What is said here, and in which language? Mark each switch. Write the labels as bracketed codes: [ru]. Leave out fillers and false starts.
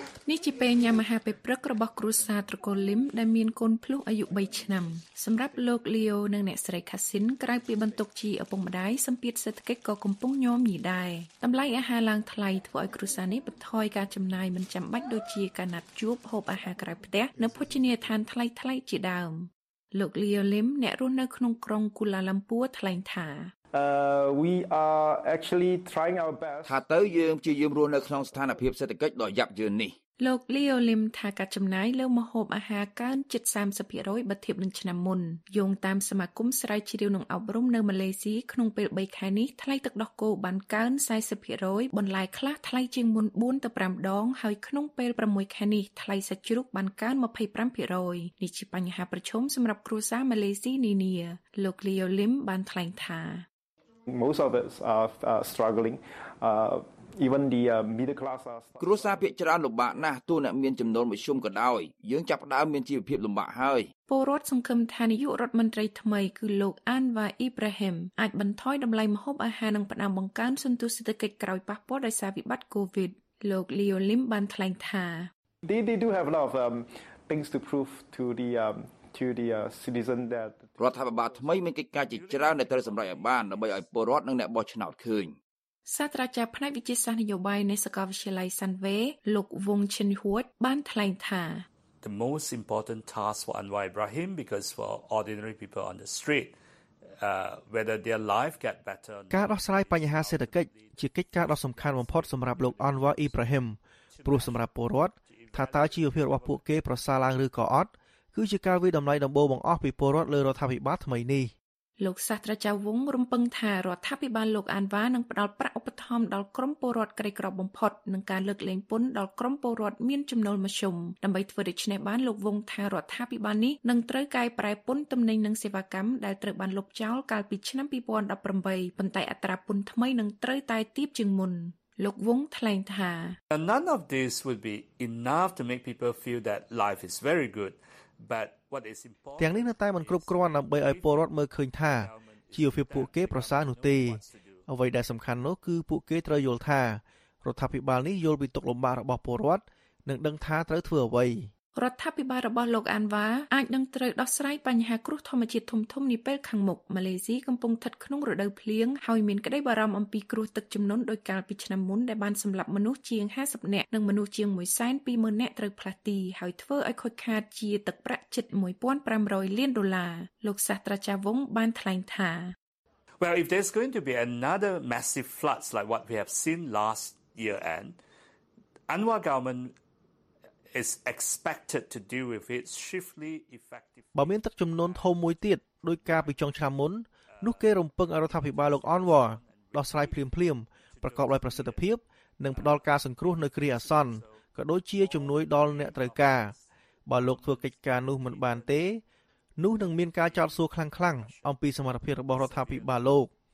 [km] នេះជាពេលញ៉ាំអាហារពេលព្រឹករបស់គ្រួសារត្រកូលលីមដែលមានកូនភ្លោះអាយុ3ឆ្នាំសម្រាប់លោកលីអូនិងអ្នកស្រីខាស៊ីនក្រៅពីបន្ទុកជីឪពុកម្ដាយសម្ពាធសេដ្ឋកិច្ចក៏កំពុងញោមញីដែរតម្លៃអាហារឡើងថ្លៃធ្វើឲ្យគ្រួសារនេះបន្ថយការចំណាយមិនចាំបាច់ដូចជាការណាត់ជួបហូបអាហារក្រៅផ្ទះនៅភោជនីយដ្ឋានថ្លៃៗជាដើមលោកលីអូលីមអ្នករស់នៅក្នុងក្រុងគូឡាឡាំពួរថ្លែងថា [en] We are actually trying our best [km] ថាទៅយើងព្យាយាមរស់នៅក្នុងស្ថានភាពសេដ្ឋកិច្ចដ៏យ៉ាប់យ៉ឺននេះ លោកលីអូលីមថាការចំណាយលើម្ហូបអាហារកើនជិត 30% បើធៀបនឹងឆ្នាំមុនយោងតាមសមាគមស្រាវជ្រាវនិងអប់រំនៅម៉ាឡេស៊ីក្នុងពេល3ខែនេះថ្លៃទឹកដោះគោបានកើន 40% បន្លែខ្លះថ្លៃជាងមុន4ទៅ5ដងហើយក្នុងពេល6ខែនេះថ្លៃសាច់ជ្រូកបានកើន 25% នេះជាបញ្ហាប្រឈមសម្រាប់គ្រួសារម៉ាឡេស៊ីនានាលោកលីអូលីមបានថ្លែងថា [en] Most of us are strugglingeven the middle class [km] គ្រួសារភាគច្រើនលំបាកណាស់ទោះអ្នកមានចំណូលមធ្យមក៏ដោយយើងចាប់ផ្ដើមមានជីវភាពលំបាកហើយ ពលរដ្ឋសង្ឃឹមថានាយករដ្ឋមន្ត្រីថ្មីគឺលោក Anwar Ibrahim អាចបន្ថយតម្លៃម្ហូបអាហារនិងផ្ដល់បង្កើនសន្ទុះសេដ្ឋកិច្ចក្រោយប៉ះពាល់ដោយសារវិបត្តិ COVID លោក Leo Lim បានថ្លែងថា [en] They do have a lot of things to prove to the citizen that [km] រដ្ឋាភិបាលថ្មីមានកិច្ចការជាច្រើនដែលត្រូវសម្រេចឲ្យបានដើម្បីឲ្យពលរដ្ឋនិងអ្នកបោះឆ្នោតឃើញ សាស្ត្រាចារ្យផ្នែកវិទ្យាសាស្ត្រនយោបាយនៃសាកលវិទ្យាល័យ Sunway លោក Wong Chin Huat បានថ្លែងថា [en] The most important task for Anwar Ibrahim because for ordinary people on the street whether their life get better [km] ការដោះស្រាយបញ្ហាសេដ្ឋកិច្ចជាកិច្ចការដ៏សំខាន់បំផុតសម្រាប់លោក Anwar Ibrahim ព្រោះសម្រាប់ពលរដ្ឋថាតើជីវភាពរបស់ពួកគេប្រសើរឡើងឬក៏អត់គឺជាការវិតម្លៃដំបូងបង្អស់ពីពលរដ្ឋលើរដ្ឋាភិបាលថ្មីនេះ លោកសាស្ត្រាចារ្យវងរំពឹងថារដ្ឋាភិបាលលោកអានវ៉ានឹងផ្តល់ប្រាក់ឧបត្ថម្ភដល់ក្រុមពលរដ្ឋក្រីក្របំផុតនឹងការលើកលែងពន្ធដល់ក្រុមពលរដ្ឋមានចំណូលមធ្យមដើម្បីធ្វើដូច្នេះបានលោកវងថារដ្ឋាភិបាលនេះនឹងត្រូវកែប្រែពន្ធទំនិញនិងសេវាកម្មដែលត្រូវបានលុបចោលកាលពីឆ្នាំ2018ប៉ុន្តែអត្រាពន្ធថ្មីនឹងត្រូវតែទាបជាងមុនលោកវងថ្លែងថា [en] None of this would be enough to make people feel that life is very good but [km] ទាំងនេះនៅតែមិនគ្រប់គ្រាន់ដើម្បីឲ្យពលរដ្ឋមើលឃើញថាជីវភាពពួកគេប្រសើរនោះទេអ្វីដែលសំខាន់នោះគឺពួកគេត្រូវយល់ថារដ្ឋាភិបាលនេះយល់ពីទុក្ខលំបាករបស់ពលរដ្ឋនិងដឹងថាត្រូវធ្វើអ្វី រដ្ឋាភិបាលរបស់លោកអានវ៉ាអាចនឹងត្រូវដោះស្រាយបញ្ហាគ្រោះធម្មជាតិធំៗនេះពេលខាងមុខម៉ាឡេស៊ីកំពុងស្ថិតក្នុងរដូវភ្លៀងហើយមានក្តីបារម្ភអំពីគ្រោះទឹកជំនន់ដោយកាលពីឆ្នាំមុនដែលបានសម្លាប់មនុស្សជាង50នាក់និងមនុស្សជាង 120,000 នាក់ត្រូវផ្លាស់ទីហើយធ្វើឲ្យខូចខាតជាទឹកប្រាក់ជិត 1,500 លានដុល្លារលោកសាស្ត្រាចារ្យវងបានថ្លែងថា [en] Well, if there's going to be another massive floods like what we have seen last year end, Anwar government is expected to deal with it swiftly, effectively. [km] បើមានទឹកជំនន់ធំមួយទៀតដោយការពីចុងឆ្នាំមុននោះគេរំពឹងអរដ្ឋាភិបាលលោក Anwar ដោះស្រាយភ្លាមៗប្រកបដោយប្រសិទ្ធភាពនិងផ្ដល់ការសង្គ្រោះនៅគ្រាអាសន្នក៏ដូចជាជំនួយដល់អ្នកត្រូវការបើលោកធ្វើកិច្ចការនោះមិនបានទេនោះនឹងមានការចោទសួរខ្លាំងៗអំពីសមត្ថភាពរបស់រដ្ឋាភិបាលលោក